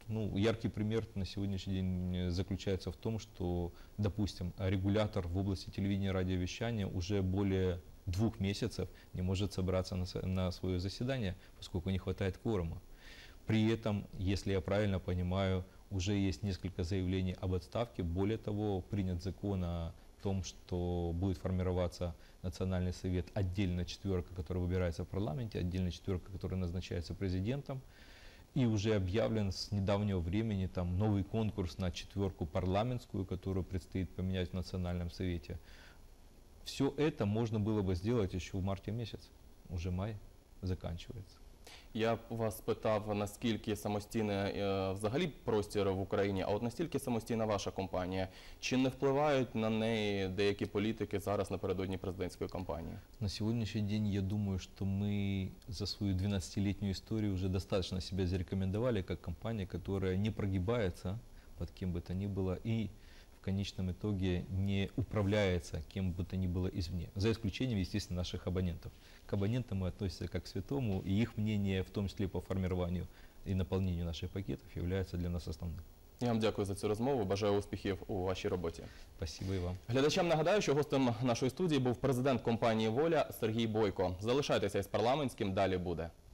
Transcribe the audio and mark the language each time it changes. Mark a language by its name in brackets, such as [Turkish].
[Ukrainian] Ну, яркий примір на сьогоднішній день заключається в тому, що, допустимо, регулятор в області телевізійного радіовіщання вже більше 2 місяців не може зібратися на своє засідання, оскільки не вистачає кворуму. [Russian] При этом, если я правильно понимаю, уже есть несколько заявлений об отставке. Более того, принят закон о том, что будет формироваться национальный совет, отдельная четверка, которая выбирается в парламенте, отдельная четверка, которая назначается президентом. И уже объявлен с недавнего времени там новый конкурс на четверку парламентскую, которую предстоит поменять в национальном совете. Все это можно было бы сделать еще в марте месяц, уже май заканчивается. [Ukrainian] Я вас питав, наскільки самостійне взагалі простір в Україні, а от наскільки самостійна ваша компанія? Чи не впливають на неї деякі політики зараз напередодні президентської кампанії? На сьогоднішній день я думаю, що ми за свою 12-літню історію вже достатньо себе зарекомендували як компанія, яка не прогибається під ким би то ні було і в кінцевому ітогі не управляється ким би то ні було ізвні, за ісключенням, звісно, наших абонентів. [Russian] К абонентам мы относимся как к святому, и их мнение, в том числе по формированию и наполнению наших пакетов, является для нас основным. [Ukrainian] Я вам дякую за цю розмову, бажаю успіхів у вашій роботі. Спасибо і вам. Глядачам нагадаю, що гостем нашої студії був президент компанії «Воля» Сергій Бойко. Залишайтеся із парламентським, далі буде.